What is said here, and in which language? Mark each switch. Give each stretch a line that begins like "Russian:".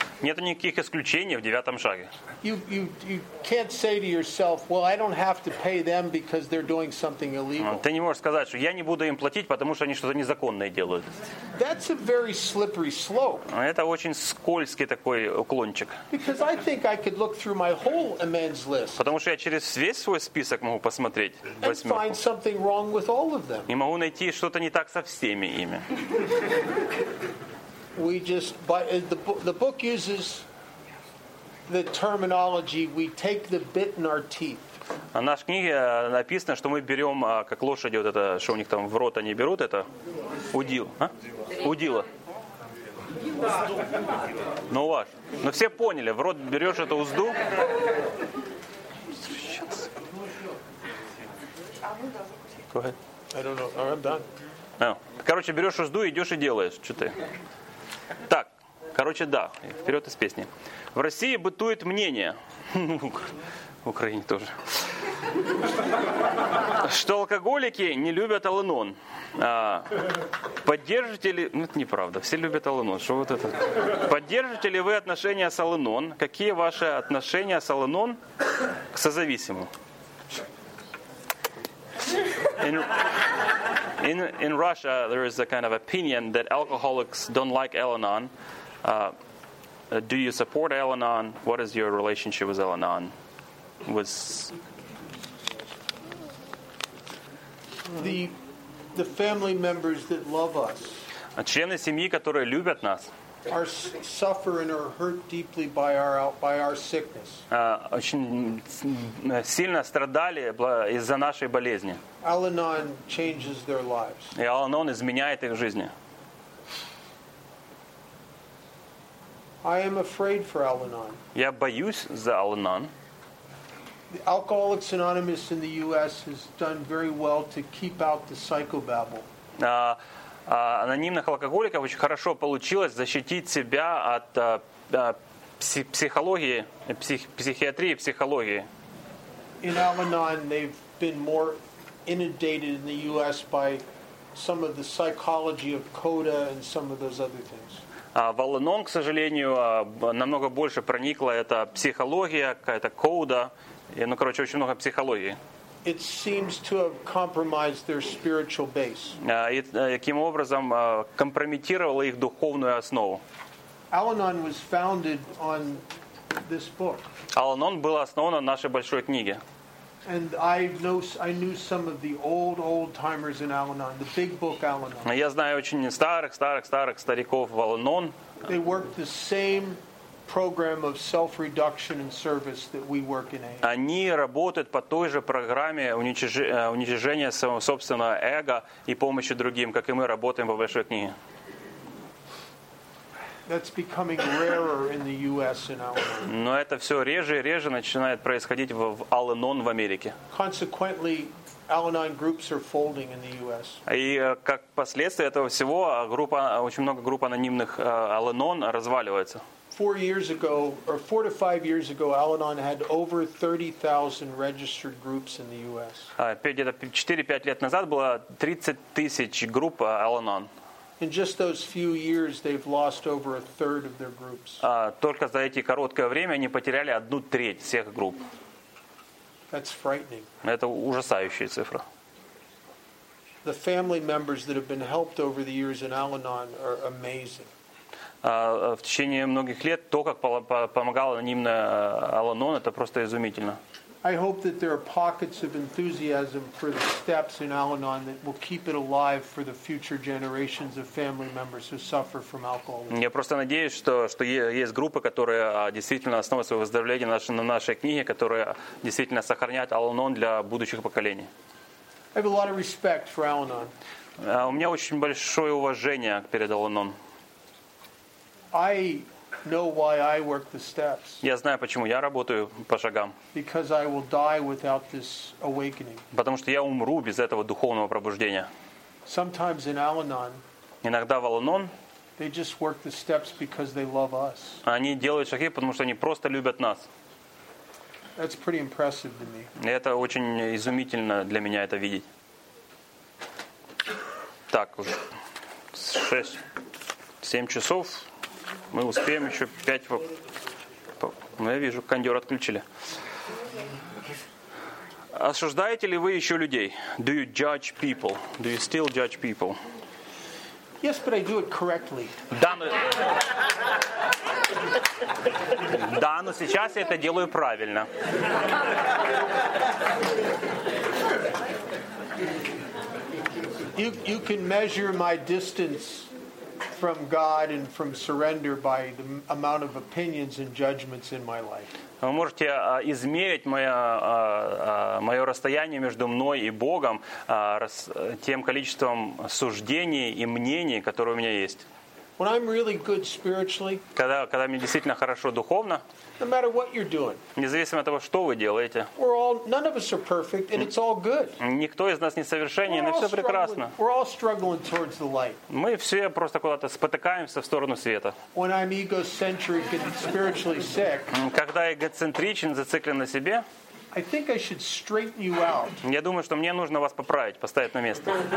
Russian: Нет никаких исключений в 9-м шаге.
English: You can't say to yourself, well, I don't have to pay them because they're doing something illegal.
Russian: Ты не можешь сказать, что я не буду им платить, потому что они что-то незаконное делают.
English: That's a very slippery slope.
Russian: Это очень скользкий такой уклончик.
English: Because I think I could look through my whole amends list.
Russian: Потому что я через весь свой список могу посмотреть восьмерку.
English: And find something wrong with all of them.
Russian: И могу найти что-то не так со всеми ими.
English: We just, but the book uses the terminology, we take the bit in our teeth.
Russian: В нашей книге написано, что мы берем, как лошади, вот это, что у них там в рот они берут, это удил. А? Удила. Ну, ваш. Ну, все поняли, в рот берешь эту узду. Короче, берешь узду, идешь и делаешь. Что ты? Так, короче, да, вперед из песни. В России бытует мнение. В Украине тоже. Что алкоголики не любят Аланон. Поддержите ли... Ну, это неправда, все любят Аланон. Что вот это? Поддержите ли вы отношения с Аланон? Какие ваши отношения с Аланон к созависимым?
English: In Russia, there is a kind of opinion that alcoholics don't like Al-Anon. Do you support Al-Anon? What is your relationship with Al-Anon? Was the family members that love us?
Russian: Члены семьи, которые любят нас,
English: are suffering or hurt deeply by our sickness.
Russian: Очень сильно страдали из-за нашей болезни.
English: Al-Anon changes their lives.
Russian: И Al-Anon изменяет их жизни.
English: I am afraid for Al-Anon.
Russian: Я боюсь за Al-Anon.
English: Alcoholics Anonymous in the U.S. has done very well to keep out the psychobabble.
Russian: Анонимных алкоголиков очень хорошо получилось защитить себя от психологии, психиатрии, психологии.
English: In Al-Anon, they've been more inundated in the U.S. by some of the psychology of CODA and some of those other things.
Russian: В Al-Anon, к сожалению, намного больше проникла эта психология, какая-то CODA. Ну, короче, очень много психологии.
English: It seems to have compromised their spiritual base.
Russian: Таким образом компрометировало их духовную основу.
English: Al-Anon was founded on this book.
Russian: Al-Anon был основан на нашей большой книге.
English: And I knew some of the old timers in Al-Anon, the big book Al-Anon.
Russian: Я знаю очень старых стариков в Al-Anon.
English: They worked the same program of self-reduction and service that we work in.
Russian: Они работают по той же программе уничижения своего собственного эго и помощи другим, как и мы работаем в большой книге.
English: That's becoming rarer in the U.S. and Al-Anon.
Russian: Но это все реже и реже начинает происходить в Al-Anon в Америке.
English: Consequently, Al-Anon groups are folding in the U.S.
Russian: И как последствие этого всего очень много групп анонимных Al-Anon разваливается.
English: 4 years ago, or 4 to 5 years ago, Al-Anon had over 30,000 registered groups in the U.S.
Russian: Где-то 4-5 лет назад было 30,000 групп Al-Anon.
English: In just those few years, they've lost over a third of their groups.
Russian: Только за эти короткое время они потеряли 1/3 всех групп.
English: That's frightening.
Russian: Это ужасающая цифра.
English: The family members that have been helped over the years in Al-Anon are amazing.
Russian: В течение многих лет то, как помогал анонимный Al-Anon, это просто изумительно.
English: I hope that there are pockets of enthusiasm for the steps in Al-Anon that will keep it alive for the future generations of family members who suffer from alcoholism.
Russian: Я просто надеюсь, что есть группы, которые действительно основывают свое выздоровление на нашей книге, которые действительно сохранят Al-Anon для будущих поколений.
English: I have a lot of respect for Al-Anon.
Russian: У меня очень большое уважение перед Al-Anon.
English: I know why I work the steps.
Russian: Я знаю, почему я работаю по шагам.
English: Because I will die without this awakening.
Russian: Потому что я умру без этого духовного пробуждения.
English: Sometimes in Al-Anon.
Russian: Иногда в Al-Anon.
English: They just work the steps because they love us.
Russian: Они делают шаги, потому что они просто любят нас.
English: That's pretty impressive to me.
Russian: Это очень изумительно для меня это видеть. Так, уже 6-7 часов. Мы успеем еще 5. Ну, я вижу, кондер отключили. Осуждаете ли вы еще людей?
English: Do you judge people? Do you still judge people? Yes, but I do it correctly.
Russian: Да, но сейчас я это делаю правильно.
English: You can measure my distance from God and from surrender by the amount of opinions and judgments in my life.
Russian: Вы можете измерить мое расстояние между мной и Богом тем количеством суждений и мнений, которые у меня есть.
English: When I'm really good spiritually,
Russian: когда мне действительно хорошо духовно,
English: no matter what you're doing,
Russian: независимо от того, что вы делаете,
English: none of us are perfect, and it's all good.
Russian: Никто из нас не совершенен, и все прекрасно.
English: We're all struggling towards the light.
Russian: Мы все просто куда-то спотыкаемся в сторону света.
English: When I'm egocentric and spiritually sick,
Russian: когда эгоцентричен, зациклен на себе,
English: I think I should straighten you out.
Russian: Я думаю, что мне нужно вас поправить, поставить на место.